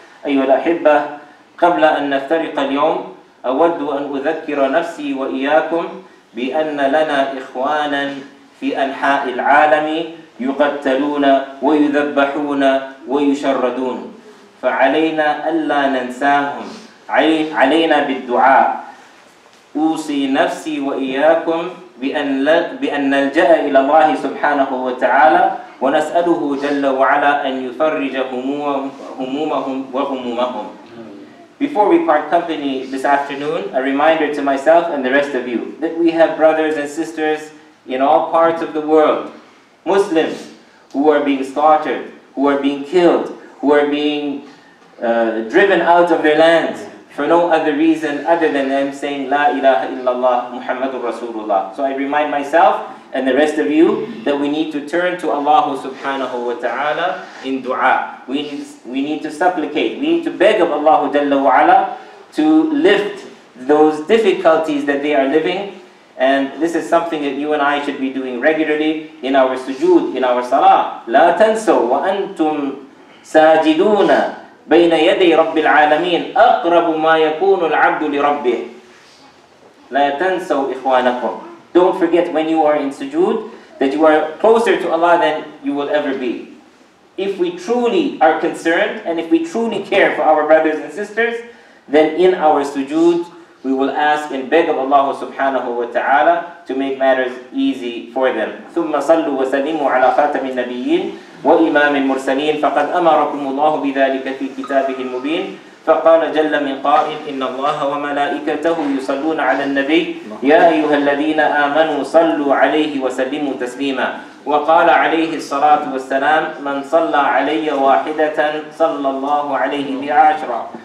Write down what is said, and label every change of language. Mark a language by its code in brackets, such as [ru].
[ar] أيها الأحبة قبل أن نفترق اليوم أود أن أذكر نفسي وإياكم بأن لنا إخوانا في أنحاء العالم يقتلون ويذبحون ويشردون فعلينا ألا ننساهم علينا بالدعاء أوصي نفسي وإياكم بأن نلجأ إلى الله سبحانه وتعالى ونسأله جل وعلا أن يفرج همومهم وهمومهم. [en] Before we part company this afternoon, a reminder to myself and the rest of you that we have brothers and sisters in all parts of the world, Muslims who are being slaughtered, who are being killed, who are being driven out of their lands for no other reason other than them saying, [ar] La ilaha illallah, Muhammadur Rasulullah. [en] So I remind myself and the rest of you that we need to turn to Allah subhanahu wa ta'ala in dua. We need to supplicate, we need to beg of Allah jalla wa ala to lift those difficulties that they are living. And this is something that you and I should be doing regularly in our sujood, in our salah. [ar] لا تنسوا وأنتم ساجدون بين يدي رب العالمين أقرب ما يكون العبد لربه. لا تنسوا إخوانكم. [en] Don't forget when you are in sujood that you are closer to Allah than you will ever be. If we truly are concerned and if we truly care for our brothers and sisters, then in our sujood, we will ask and beg of Allah subhanahu wa ta'ala to make matters easy for them. [ar] ثُمَّ صَلُّوا وَسَلِّمُوا عَلَى خَاتَمِ النَّبِيِّينَ وَإِمَامِ الْمُرْسَلِينَ فَقَدْ أَمَرَكُمُ اللَّهُ بِذَلِكَ فِي كِتَابِهِ الْمُبِينَ فقال جل من قائل إن الله وملائكته يصلون على النبي يا أيها الذين آمنوا صلوا عليه وسلموا تسليما وقال عليه الصلاة والسلام من صلى علي واحدة صلى الله عليه بعشرة